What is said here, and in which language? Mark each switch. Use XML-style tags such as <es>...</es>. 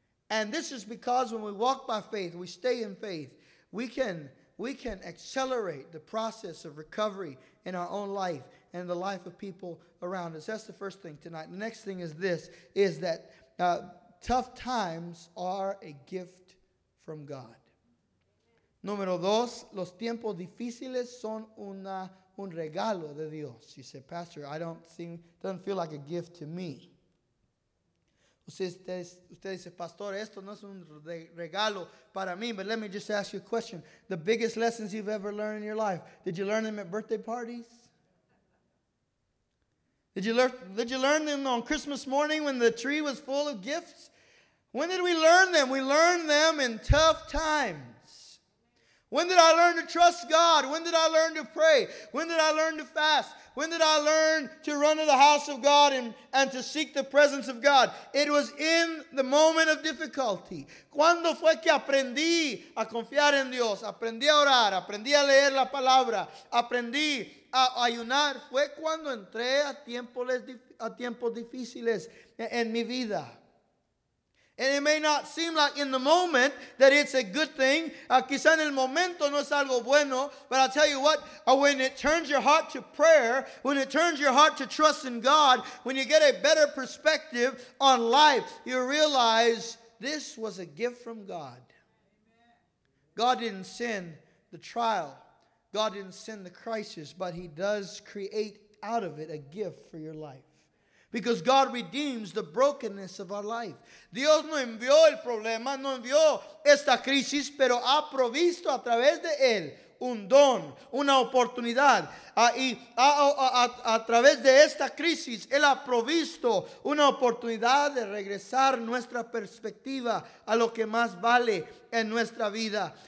<en>And this is because when we walk by faith, we stay in faith, we can accelerate the process of recovery in our own life and the life of people around us. That's the first thing tonight. The next thing is this, is that tough times are a gift from God.</en> <es>Número dos, los tiempos difíciles son un regalo de Dios.</es> <en>You say, Pastor, doesn't feel like a gift to me.</en> <es>Usted dice, Pastor, esto no es un regalo para mí.</es> <en>But let me just ask you a question. The biggest lessons you've ever learned in your life, did you learn them at birthday parties? Did you learn them on Christmas morning when the tree was full of gifts? When did we learn them? We learned them in tough times. When did I learn to trust God? When did I learn to pray? When did I learn to fast? When did I learn to run to the house of God and to seek the presence of God? It was in the moment of difficulty.</en> <es>¿Cuándo fue que aprendí a confiar en Dios? Aprendí a orar, aprendí a leer la palabra, aprendí a ayunar. Fue cuando entré a tiempos difíciles en mi vida.</es> <en>And it may not seem like in the moment that it's a good thing.</en> <es>Quizá en el momento no es algo bueno.</es> <en>But I'll tell you what, when it turns your heart to prayer, when it turns your heart to trust in God, when you get a better perspective on life, you realize this was a gift from God. God didn't send the trial. God didn't send the crisis, but He does create out of it a gift for your life. Because God redeems the brokenness of our life.</en> <es>Dios no envió el problema, no envió esta crisis, pero ha provisto a través de él un don, una oportunidad. Y a través de esta crisis, él ha provisto una oportunidad de regresar nuestra perspectiva a lo que más vale en nuestra vida.</es>